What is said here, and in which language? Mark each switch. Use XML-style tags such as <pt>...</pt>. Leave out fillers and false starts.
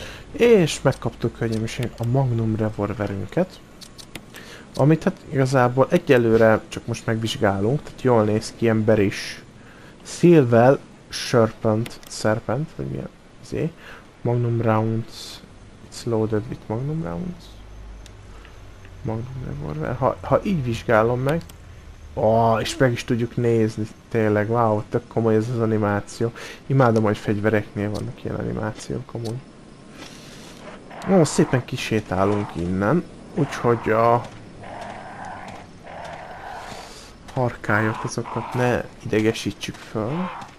<hu>És megkaptuk könnyen is a Magnum revolverünket. Amit hát igazából egyelőre csak most megvizsgálunk, tehát jól néz ki, ember is. Silver Serpent, Serpent, vagy milyen Z.</hu> <en>Magnum Rounds, it's loaded with Magnum Rounds.</en> <hu>Magnum revolver, ha így vizsgálom meg. Ó, és meg is tudjuk nézni, tényleg, wow, tök komoly ez az animáció. Imádom, hogy fegyvereknél vannak ilyen animációk amúgy. Ó, szépen kisétálunk innen, úgyhogy a harkályok azokat ne idegesítsük föl.</hu>